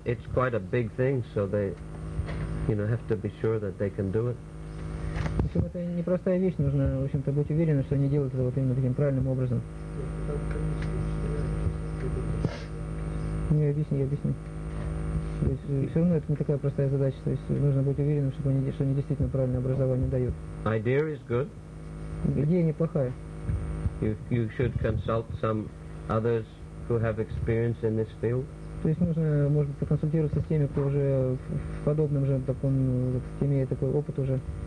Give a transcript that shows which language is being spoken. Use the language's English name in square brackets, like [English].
[English] It's quite a big thing, so they, you know, have to be sure that they can do it. [Russian] Это не простая вещь. Нужно, в общем-то, быть уверенным, что они делают это вот именно таким правильным образом. Я объясню. То есть все равно это не такая простая задача. То есть нужно быть уверенным, чтобы они, что они действительно правильное образование дают. [English] Idea is good. [Russian] Идея неплохая. [English] You should consult some others who have experience in this field. [Russian] То есть нужно, может быть, поконсультироваться с теми, кто уже в подобном же таком, вот, имеет такой опыт уже.